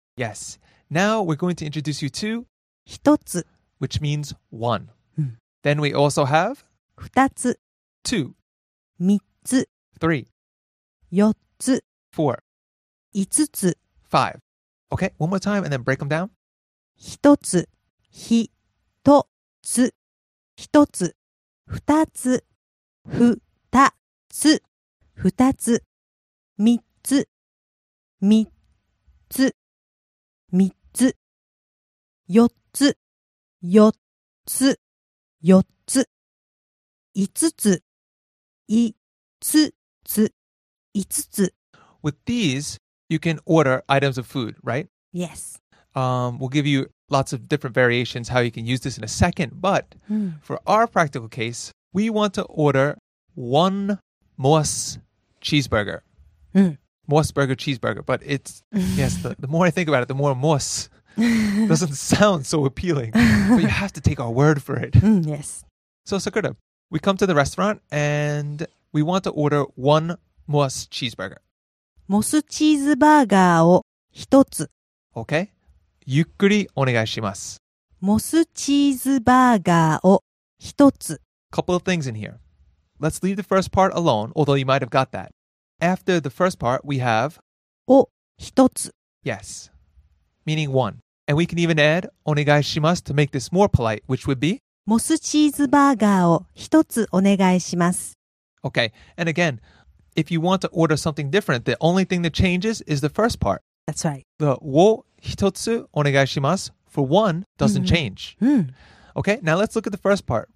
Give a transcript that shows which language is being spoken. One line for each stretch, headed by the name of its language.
English: Yes. Now, we're going to introduce you to
Japanese: 1つ
English: Which means 1 Then we also have
Japanese: 2つ
English: 2
Japanese: 3つ
English: 3
Japanese: 4つ
English: 4
Japanese: 5つ
English: 5 Okay, one more time and then break them down
Japanese: 1つ 1つ 1つ 2つ 2つ 2つ 3つ 3つ 3つ 4つ 4つ 4つ 5つ 5つ 5つ
English: With these, you can order items of food, right? Yes. We'll give you lots of different variations how you can use this in a second, but for our practical case, we want to order one Moss cheeseburger. Moss burger cheeseburger, but it's, yes, the more I think about it, the more Moss doesn't sound so appealing, but you have to take our word for it. Yes. So, Sakura, we come to the restaurant and we want to order one Moss cheeseburger.
Japanese: モスチーズバーガーを一つ。
English: Okay.
Japanese: ゆっくりお願いします。モスチーズバーガーを一つ。
English: Couple of things in here. Let's leave the first part alone, although you might have got that. After the first part, we have...
Japanese: を一つ。
English: Yes. Meaning one. And we can even add
Japanese: お願いします
English: to make this more polite, which would be...
Japanese: モスチーズバーガーを一つお願いします。
English: Okay. And again... If you want to order something different, the only thing that changes is the first part. That's right. The
Japanese: wo hitotsu onegai shimasu
English: for one doesn't change. Okay, now let's look at the first part.